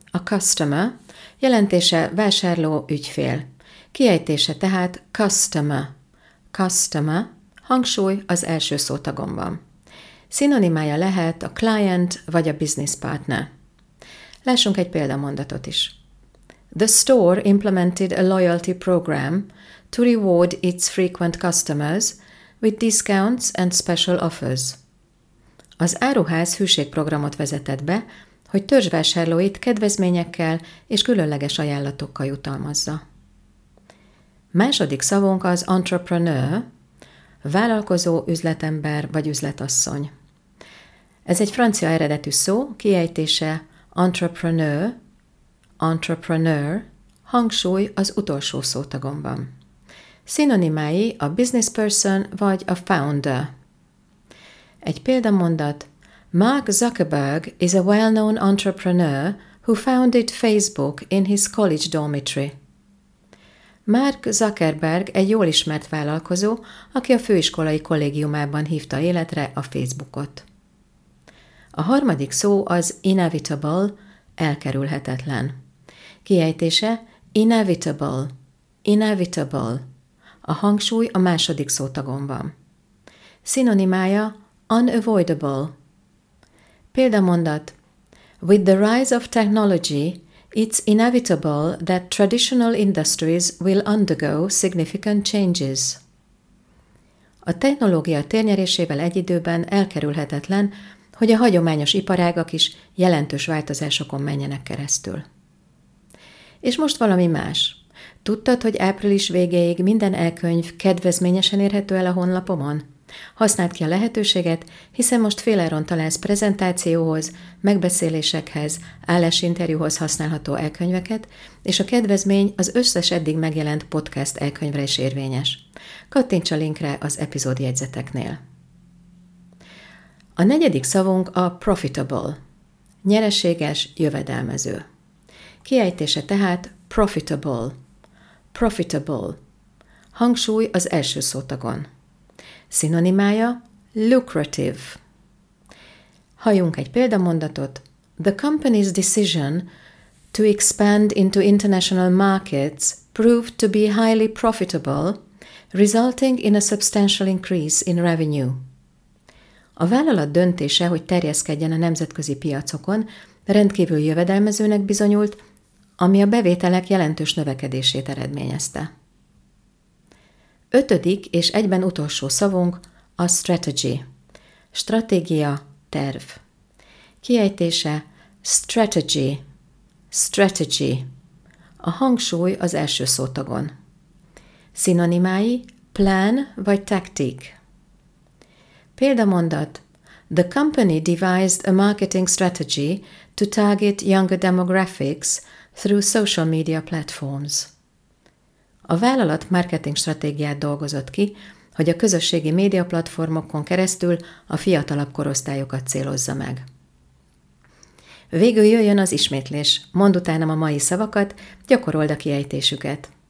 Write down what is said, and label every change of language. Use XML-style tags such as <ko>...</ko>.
<hu>A customer jelentése vásárló, ügyfél. Kiejtése tehát customer. Customer, hangsúly az első szótagomban. Szinonimája lehet a client vagy a business partner. Lássunk egy példamondatot is.</hu> <en>The store implemented a loyalty program to reward its frequent customers with discounts and special offers.</en> <hu>Az áruház hűségprogramot vezetett be, hogy törzsvásárlóit kedvezményekkel és különleges ajánlatokkal jutalmazza. Második szavunk az entrepreneur, vállalkozó, üzletember vagy üzletasszony. Ez egy francia eredetű szó, kiejtése entrepreneur, entrepreneur, hangsúly az utolsó szótagomban. Szinonimái a business person vagy a founder. Egy példamondat:</hu> <en>Mark Zuckerberg is a well-known entrepreneur who founded Facebook in his college dormitory.</en> <hu>Mark Zuckerberg egy jól ismert vállalkozó, aki a főiskolai kollégiumában hívta életre a Facebookot. A harmadik szó az inevitable, elkerülhetetlen. Kiejtése inevitable, inevitable. A hangsúly a második szótagon van. Szinonimája unavoidable. Példamondat:</hu> <en>With the rise of technology, it's inevitable that traditional industries will undergo significant changes.</en> <hu>A technológia térnyerésével egy időben elkerülhetetlen, hogy a hagyományos iparágak is jelentős változásokon menjenek keresztül. És most valami más. Tudtad, hogy április végéig minden e-könyv kedvezményesen érhető el a honlapomon? Használd ki a lehetőséget, hiszen most féláron találsz prezentációhoz, megbeszélésekhez, állásinterjúhoz használható e-könyveket, és a kedvezmény az összes eddig megjelent podcast e-könyvre is érvényes. Kattints a linkre az epizód jegyzeteknél. A negyedik szavunk a profitable. Nyereséges, jövedelmező. Kiejtése tehát profitable. Profitable. Hangsúly az első szótagon. Szinonimája lucrative. Halljunk egy példamondatot.</hu> <en>The company's decision to expand into international markets proved to be highly profitable, resulting in a substantial increase in revenue.</en> <hu>A vállalat döntése, hogy terjeszkedjen a nemzetközi piacokon, rendkívül jövedelmezőnek bizonyult, ami a bevételek jelentős növekedését eredményezte. Ötödik és egyben utolsó szavunk a strategy. Stratégia, terv. Kiejtése strategy. Strategy. A hangsúly az első szótagon. Szinonimái plan vagy tactic. Példamondat:</hu> <en>The company devised a marketing strategy to target younger demographics through social media platforms.</en> <hu>A vállalat marketing stratégiát dolgozott ki, hogy a közösségi média platformokon keresztül a fiatalabb korosztályokat célozza meg. Végül jöjjön az ismétlés. Mondd utánam a mai szavakat, gyakorold a kiejtésüket.</hu>